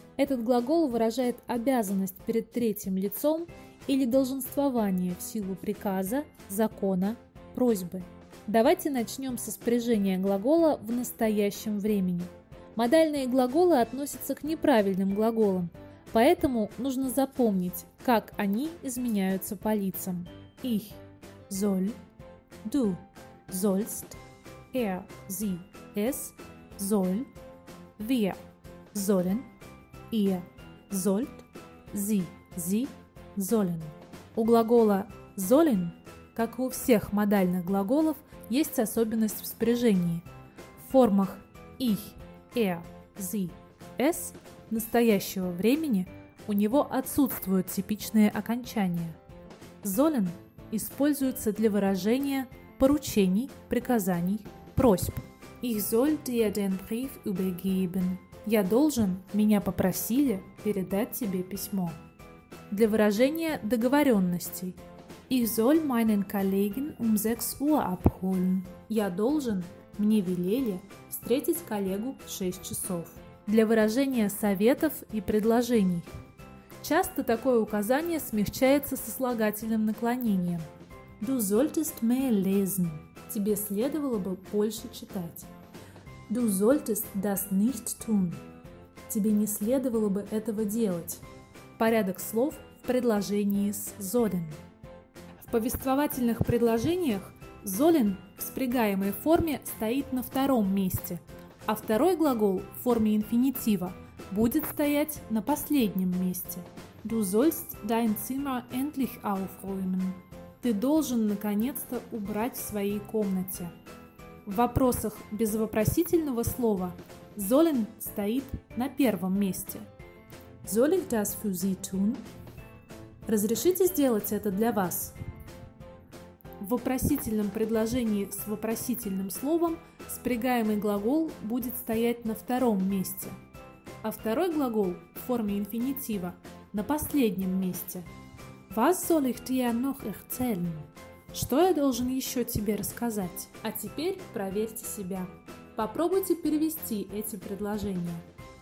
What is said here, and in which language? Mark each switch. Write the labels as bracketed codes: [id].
[ru] Этот глагол выражает обязанность перед третьим лицом или долженствование в силу приказа, закона, просьбы. Давайте начнем со спряжения глагола в настоящем времени. Модальные глаголы относятся к неправильным глаголам, поэтому нужно запомнить, как они изменяются по лицам. [de] Ich soll, du sollst, er, sie, es soll, wir sollen, ihr sollt, sie sollen. [ru] У глагола sollen, как и у всех модальных глаголов, есть особенность в спряжении. В формах ich, er, sie, es настоящего времени у него отсутствуют типичные окончания. Sollen используется для выражения поручений, приказаний, просьб. [de] Ich soll dir den Brief übergeben. [ru] Я должен, меня попросили передать тебе письмо. Для выражения договоренностей. [de] Ich soll meinen Kollegen um 6 Uhr abholen. [ru] Я должен, мне велели встретить коллегу в 6 часов. Для выражения советов и предложений. Часто такое указание смягчается со слагательным наклонением. [de] Du solltest mehr lesen. [ru] Тебе следовало бы больше читать. [de] Du solltest das nicht tun. [ru] Тебе не следовало бы этого делать. Порядок слов в предложении с sollen. В повествовательных предложениях sollen в спрягаемой форме стоит на втором месте, а второй глагол в форме инфинитива будет стоять на последнем месте. [de] Du sollst dein Zimmer endlich aufräumen. [ru] Ты должен наконец-то убрать в своей комнате. В вопросах без вопросительного слова sollen стоит на первом месте. [de] Soll ich das für Sie tun? [ru] Разрешите сделать это для вас? В вопросительном предложении с вопросительным словом спрягаемый глагол будет стоять на втором месте, а второй глагол в форме инфинитива на последнем месте. [de] Was soll ich dir noch erzählen? [ru] Что я должен еще тебе рассказать? А теперь проверьте себя. Попробуйте перевести эти предложения.